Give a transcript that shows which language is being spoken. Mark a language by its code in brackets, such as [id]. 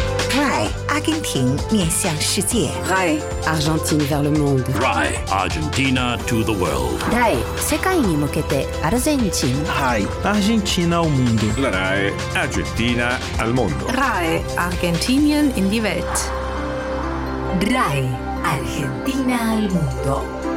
[zh] RAI, Argentina 面向世界。 [fr] RAI, Argentina vers le monde. [en] RAI, Argentina to the world. [ja] RAI, 世界に向けてアルゼンチン。 [es] RAI, Argentina al mundo. RAI, Argentina al mundo. [de] RAI, Argentinian in die Welt. [es] RAI, Argentina al mundo.